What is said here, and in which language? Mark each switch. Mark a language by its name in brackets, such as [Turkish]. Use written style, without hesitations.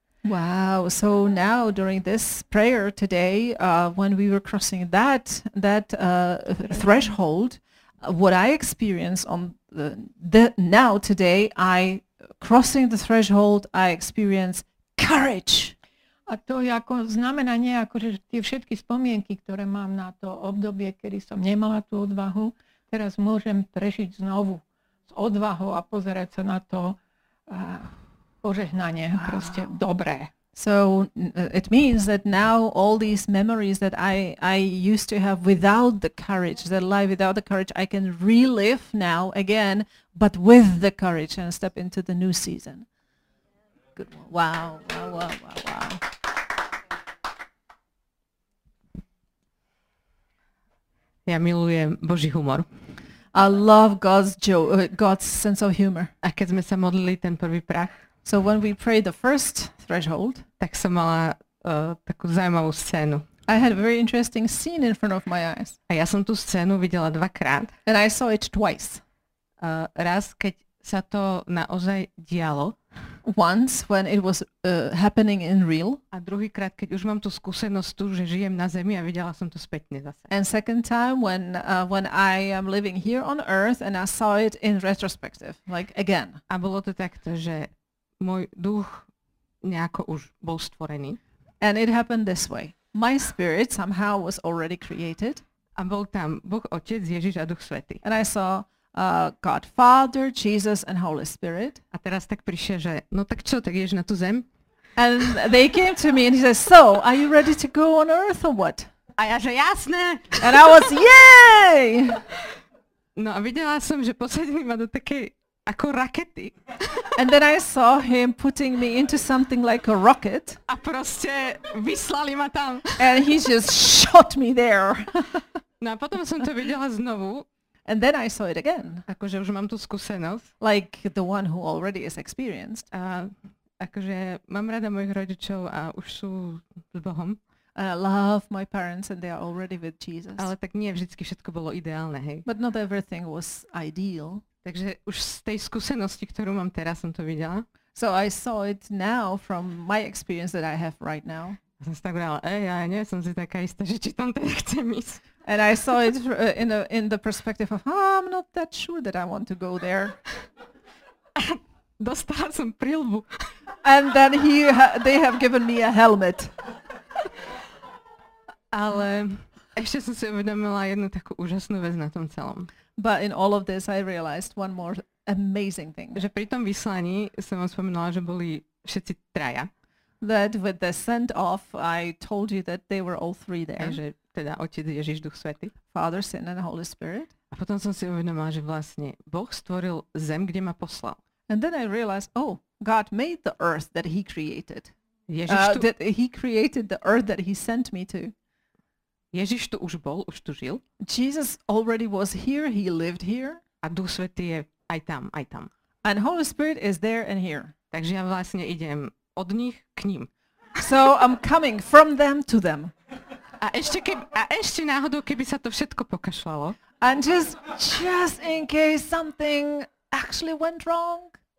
[English] Wow, so now during this prayer today, when we were crossing that threshold, what I experienced on today, I crossing the threshold, I experience courage. [Slovak] A to je ako znamená nejako, že tie všetky spomienky, ktoré mám na to obdobie, kedy som nemala tú odvahu, teraz môžem prežiť znovu s odvahou a pozerať sa na to požehnanie, proste dobré. [English] So it means that now all these memories that I used to have without the courage, that life without the courage, I can relive now again, but with the courage and step into the new season. Good. Wow, wow, wow, wow, wow. [Slovak] Ja milujem Boží humor. [English] I love God's sense of humor. [Slovak] A keď sme sa modlili ten prvý prach, [English] so when we pray the first threshold, [Slovak] tak som mala takú zaujímavú scénu. [English] I had a very interesting scene in front of my eyes. [Slovak] A ja som tú scénu videla dvakrát. [English] And I saw it twice. [Slovak] Raz, keď sa to naozaj dialo. [English] Once, when it was happening in real. [Slovak] A druhýkrát, keď už mám tú skúsenosť tu, že žijem na Zemi a videla som to spätne zase. [English] And second time, when I am living here on Earth and I saw it in retrospective, like again. [Slovak] A bolo to takto, že môj duch nejako už bol stvorený. [English] And it happened this way. My spirit somehow was already created. [Slovak] A bol tam Boh Otec, Ježiš a Duch Svätý. [English] And I saw God Father, Jesus and Holy Spirit. [Slovak] A teraz tak prišiel, že no tak čo, tak ješ na tú zem? [English] And they came to me and he says, so, are you ready to go on earth or what? [Slovak] A ja že jasné. [English] And I was, yay! [Slovak] No a videla som, že posadili ma do takej ako rakety. [English] And then I saw him putting me into something like a rocket. [Slovak] A proste vyslali ma tam. [English] And he just shot me there. [Slovak] No a potom som to videla znovu. [English] And then I saw it again. [Slovak] Akože už mám tú skúsenosť. [English] Like the one who already is experienced. [Slovak] A akože mám rada mojich rodičov a už sú s Bohom. [English] I love my parents and they are already with Jesus. [Slovak] Ale tak nie vždycky všetko bolo ideálne, hej. [English] But not everything was ideal. [Slovak] Takže už z tej skúsenosti, ktorú mám teraz, som to videla. [English] So I saw it now from my experience that I have right now. [Slovak] A som si tak vrala, ja nie som si taká istá, že či tam teda chcem ísť. [English] And I saw it in the perspective of, I'm not that sure that I want to go there. [Slovak] Dostala som prilbu. [English] And then they have given me a helmet. [Slovak] Ale ešte som si uvedomila jednu takú úžasnú vec na tom celom. [English] But in all of this I realized one more amazing thing. [Slovak] Že pri tom vyslaní som vám spomenula, že boli všetci traja. [English] That with the send off I told you that they were all three there. [Slovak] A že teda Otec, Ježiš, Duch Svätý. [English] Father, Son and Holy Spirit. [Slovak] A potom som si uvedomila, že vlastne Boh stvoril zem, kde ma poslal. [English] And then I realized, God made the earth that he created. [Slovak] Ježiš tu. [English] That he created the earth that he sent me to. [Slovak] Ježiš tu už bol, už tu žil. [English] Jesus already was here, he lived here. [Slovak] A Duch Svätý je aj tam, aj tam. [English] And Holy Spirit is there and here. [Slovak] Takže ja vlastne idem od nich k ním. [English] So I'm coming from them to them. [Slovak] A ešte náhodou, keby sa to všetko pokašľalo. [English] And just in case something actually went wrong.